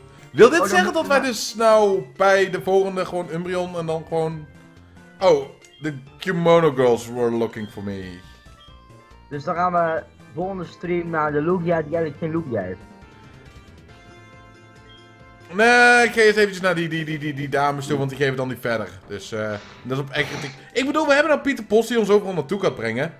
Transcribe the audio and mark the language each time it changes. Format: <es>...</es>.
<nl>Wil dit zeggen dat wij dus nou bij de volgende gewoon Umbreon en dan gewoon...</nl> <en>Oh, the Kimono Girls were looking for me.</en> <nl>Dus dan gaan we volgende stream naar de Lugia die eigenlijk geen Lugia heeft. Nee, ik ga eens eventjes naar die dames toe, want die geven dan niet verder. Dus dat is op echt. Ik bedoel, we hebben dan Pieter Post die ons overal naartoe gaat brengen.</nl>